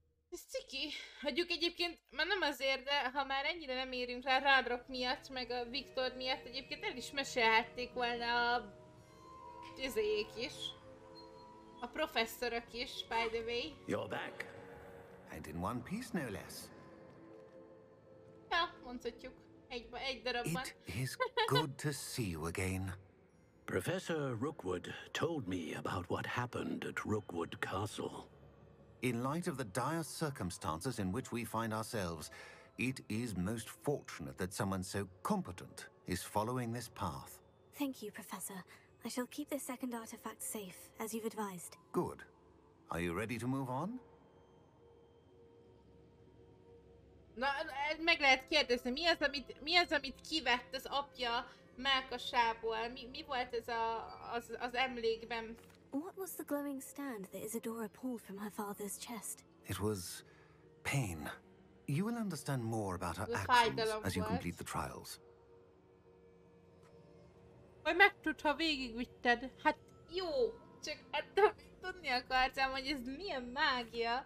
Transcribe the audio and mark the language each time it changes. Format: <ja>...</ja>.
<hu>Ez ciki. Hagyjuk egyébként, már nem azért, de ha már ennyire nem érünk rá Radrock miatt, meg a Viktor miatt, egyébként el is mesélhették volna a tüzéjék is. A professzorok is,</hu> <en>by the way. You're back. And in one piece, no less. kuncotjuk egy darabban. It is good to see you again. Professor Rookwood told me about what happened at Rookwood Castle. In light of the dire circumstances in which we find ourselves, it is most fortunate that someone so competent is following this path. Thank you, Professor. I shall keep this second artifact safe, as you've advised. Good. Are you ready to move on?</en> <hu>Na, meg lehet kérdezni, mi az, amit kivett az apja mellkasából? Mi volt ez az emlékben?</hu> <en>What was the glowing stand that Isadora pulled from her father's chest? It was pain. You will understand more about her actions as you complete the trials.</en> <hu>Vagy megtud, ha végigvitted. Hát jó, csak tudni akartam, hogy ez milyen mágia.</hu>